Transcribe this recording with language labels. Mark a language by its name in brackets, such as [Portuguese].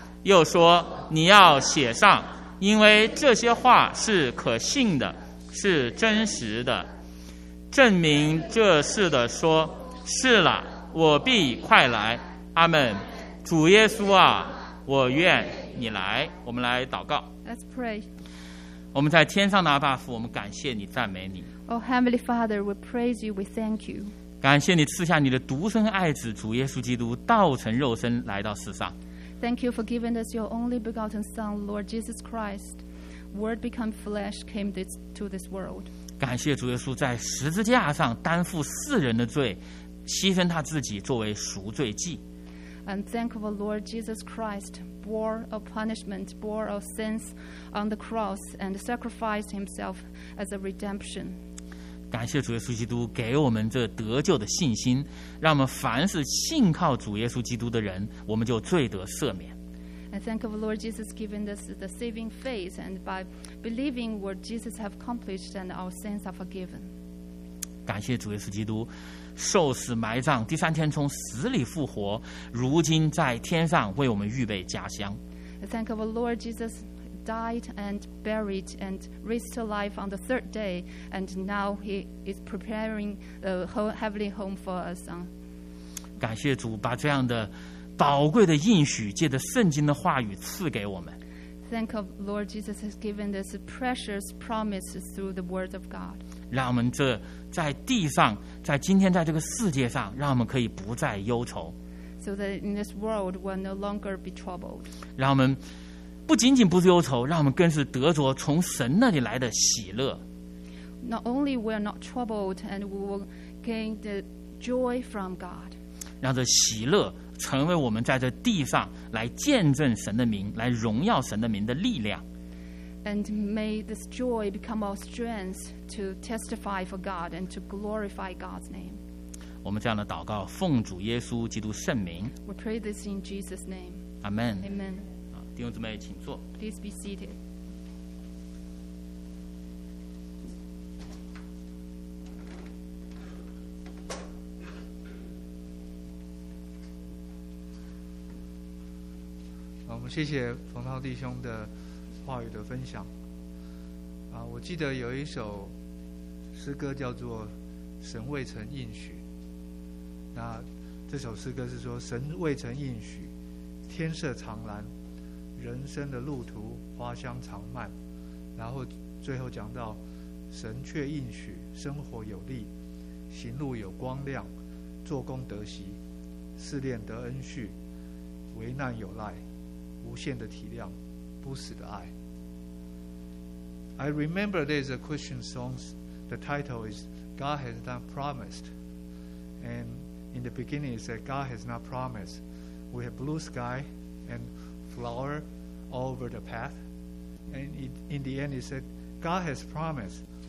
[Chinese] 又说，你要写上，因为这些话是可信的，是真实的，证明这事的说，是了，我必快来。阿们，主耶稣啊，我愿你来。我们来祷告。 [English] Let's pray. [Chinese] 我们在天上的阿爸父，我们感谢你，赞美你。 [English] Oh Heavenly Father, we praise you, we thank you. [Chinese] 感谢你赐下你的独生爱子主耶稣基督，道成肉身来到世上。 [English] Thank you for giving us your only begotten Son, Lord Jesus Christ. Word become flesh came this, to this world. [Chinese] 感谢主耶稣在十字架上担负世人的罪，牺牲他自己作为赎罪祭。 [English] And thank you, Lord Jesus Christ, bore a punishment, bore our sins on the cross, and sacrificed himself as a redemption. [Chinese] 感谢主耶稣基督给我们这得救的信心，让我们凡是信靠主耶稣基督的人，我们就罪得赦免。 [English] I thank the Lord Jesus giving us the saving faith, and by believing what Jesus have accomplished, and our sins are forgiven. [Chinese] 感谢主耶稣基督受死埋葬，第三天从死里复活，如今在天上为我们预备家乡。 [English] I thank the Lord Jesus died and buried and raised to life on the third day, and now he is preparing a heavenly home for us. [Chinese] 感谢主把这样的宝贵的应许借着圣经的话语赐给我们。 [English] Thank you, Lord Jesus has given this precious promise through the word of God. [Chinese] 让我们这在地上，在今天，在这个世界上，让我们可以不再忧愁。 [English] So that in this world we'll no longer be troubled. [Chinese] 让我们不仅仅不是忧愁，让我们更是得着从神那里来的喜乐。 [English] Not only we are not troubled, and we will gain the joy from God. [Chinese] 让这喜乐成为我们在这地上来见证神的名、来荣耀神的名的力量。 [English] And may this joy become our strength to testify for God and to glorify God's name. [Chinese] 我们这样的祷告，奉主耶稣基督圣名。 [English] We pray this in Jesus' name. Amen. Amen. [Chinese] 弟兄姊妹请坐。 [English] Please be seated. [Chinese] 我们谢谢冯涛弟兄的话语的分享。我记得有一首诗歌叫做《神未曾应许》，那这首诗歌是说，神未曾应许，天色常蓝，人生的路途花香常漫，然后最后讲到神却应许，生活有力，行路有光亮，做工得喜，试炼得恩恤，危难有赖，无限的体谅，不死的爱。 [English] I remember there's a Christian song. The title is God has not promised, and in the beginning it said God has not promised. We have blue sky and flower all over the path, and in the end it said God has promised.